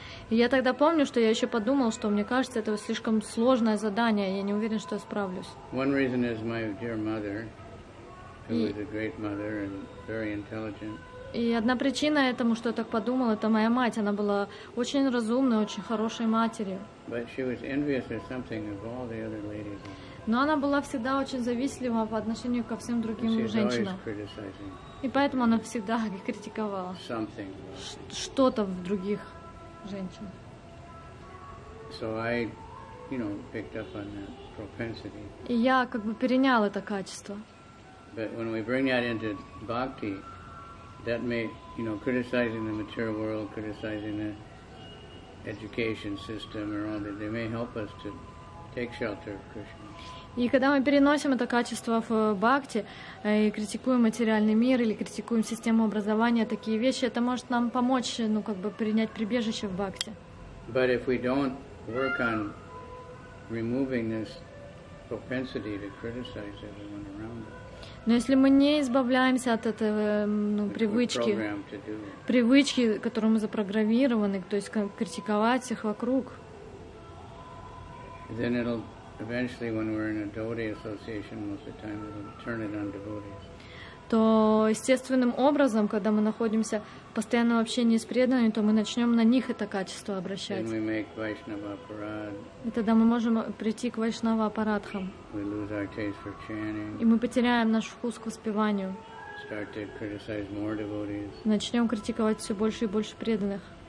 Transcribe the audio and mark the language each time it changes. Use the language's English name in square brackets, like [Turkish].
[Russian] И я тогда помню, что я еще подумал, что мне кажется, это слишком сложное задание, я не уверен, что я справлюсь. [English] One reason is my dear mother, who is a great mother and very intelligent. [Russian] И одна причина этому, что я так подумал, это моя мать. Она была очень разумной, очень хорошей матерью. [English] But she was envious of something of all the other ladies. [Russian] Но она была всегда очень завистлива по отношению ко всем другим женщинам. И поэтому она всегда критиковала что-то в других женщинах. [English] So I, you know, picked up on that propensity. [Russian] И я как бы перенял это качество. [English] But when we bring that into bhakti, that may, you know, criticizing the material world, criticizing the education system or all that, they may help us to take shelter of Krishna. [Russian] И когда мы переносим это качество в бхакти и критикуем материальный мир или критикуем систему образования, такие вещи, это может нам помочь, ну, как бы принять прибежище в бхакти. [English] But if we don't work on removing this propensity to criticize everyone around us. [Russian] Но если мы не избавляемся от этого, ну, привычки, которую мы запрограммированы, то есть критиковать всех вокруг, [English] then it'll eventually, when we're in a devotee association, most of the time it'll turn it on devotees. [Russian] То естественным образом, когда мы находимся в постоянном общении с преданными, то мы начнем на них это качество обращать. [English] Then we make Vaishnava Parad. [Russian] И тогда мы можем прийти к Вайшнава Апарадхам. [English] We lose our taste for chanting. [Russian] И мы потеряем наш вкус к воспеванию. [English] Start to criticize more devotees. [Russian] Начнем критиковать все больше и больше преданных.